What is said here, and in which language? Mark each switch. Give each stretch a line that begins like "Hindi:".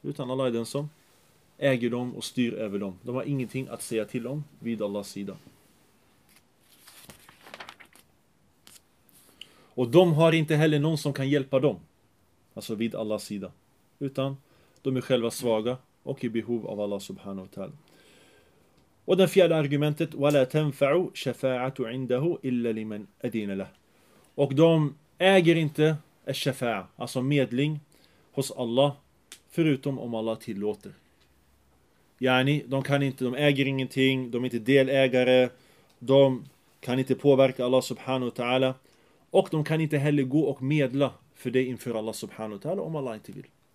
Swedish: Utan Allah är den som äger dem och styr över dem. De har ingenting att säga till dem vid Allahs sida. Och de har inte heller någon som kan hjälpa dem. Alltså vid Allahs sida. Utan de är själva svaga och i behov av Allah subhanahu wa ta'ala. Och det fjärde argumentet,
Arabic: وَلَا تَنْفَعُ شَفَاعَةُ عِنْدَهُ إِلَّا لِمَنْ أَدِينَ لَهُ.
Swedish: Och de äger inte الشَّفَاعَ, alltså medling hos Allah, förutom om Allah tillåter. Yani, de kan inte, de äger ingenting, de är inte delägare, de kan inte påverka Allah subhanahu wa ta'ala, och de kan inte heller gå och medla för det inför Allah subhanahu wa ta'ala om Allah inte vill.